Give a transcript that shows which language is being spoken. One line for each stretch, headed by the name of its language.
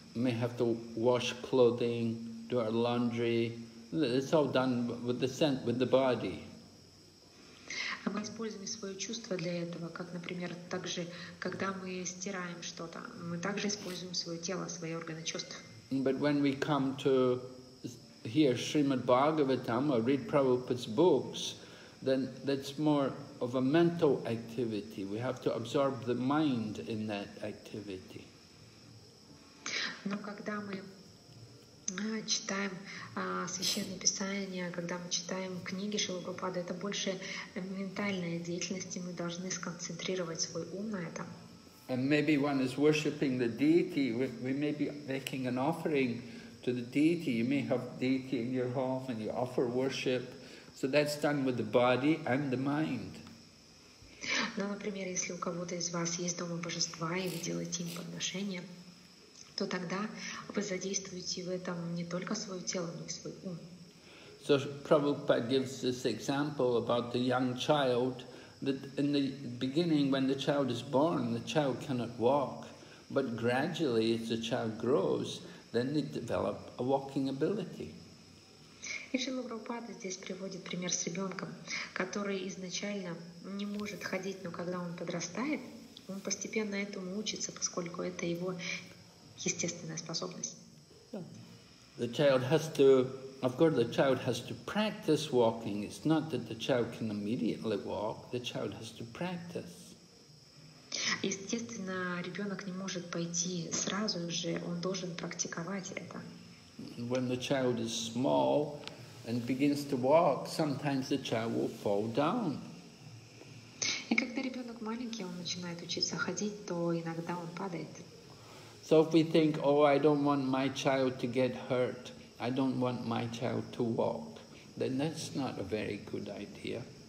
English: We may have to wash clothing, do our laundry. It's all done with the sense, with the body.
Russian: Мы используем свое чувство для этого, как, например, также, когда мы стираем что-то, мы также используем свое тело, свои органы чувств.
English: But when we come to hear Srimad Bhagavatam or read Prabhupada's books, then that's more of a mental activity. We have to absorb the mind in that activity.
Russian: Но когда мы читаем священные писания, когда мы читаем книги Шрилы Прабхупады, это больше ментальная деятельность, и мы должны сконцентрировать свой ум на этом.
English: And maybe one is worshipping the deity. We may be making an offering to the deity. You may have deity in your home and you offer worship. So that's done with the body and the mind.
Russian: Но, например, если у кого-то из вас есть дома божества и вы делаете им подношение, то тогда вы задействуете в этом не только свое тело, но и свой ум.
English: So Prabhupada gives this example about the young child In the beginning, when the child is born, the child cannot walk. But gradually, as the child grows, then they develop a walking ability.
Russian: И Шрила Прабхупада здесь приводит пример с ребенком, который изначально не может ходить, но когда он подрастает, он постепенно этому учится, поскольку это его естественная способность.
English: The child has to, of course, the child has to practice walking. It's not that the child can immediately walk. The child has to practice.
Russian: Естественно, ребенок не может пойти сразу же, он должен практиковать это.
English: When the child is small and begins to walk, sometimes the child will fall down.
Russian: И когда ребенок маленький, он начинает учиться ходить, то иногда он падает.
English: So if we think, oh, I don't want my child to get hurt, I don't want my child to walk, then that's not a very good idea.